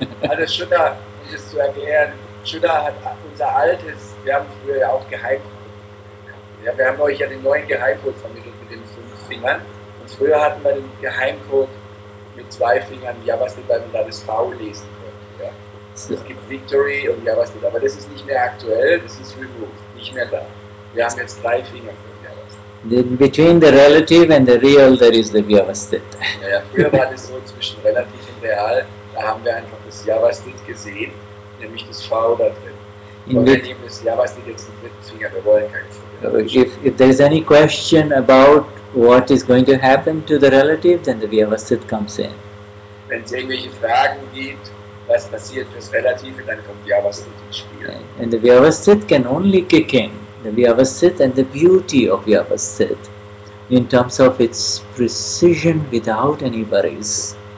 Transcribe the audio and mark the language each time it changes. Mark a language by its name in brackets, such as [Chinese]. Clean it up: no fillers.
[German] Also Shuddha, um das zu erklären, Shuddha hat unser altes, wir haben früher ja auch Geheimcode. Ja, wir haben euch ja den neuen Geheimcode vermittelt mit den 5 Fingern. Und früher hatten wir den Geheimcode mit 2 Fingern, Yavastit, weil man da das V lesen könnte. Ja. So. Es gibt Victory und Yavastit, aber das ist nicht mehr aktuell, das ist removed, nicht mehr da. Wir haben jetzt 3 Finger für Yavastit. [English] In between the relative and the real, there is the Yavastit. [German] Ja, früher war das so zwischen relativ und real, da haben wir einfach das Yavastit gesehen, nämlich das V da drin. Und wir nehmen das Yavastit jetzt den 3. Finger, wir wollen keinen Finger. [English] If there is any question about what is going to happen to the relative, then the Vyavasthit comes in. [German] Wenn es irgendwelche Fragen gibt, was passiert fürs Relative, dann kommt Vyavasthit ins Spiel. [English] And the Vyavasthit can only kick in. The Vyavasthit and the beauty of Vyavasthit in terms of its precision without any worries.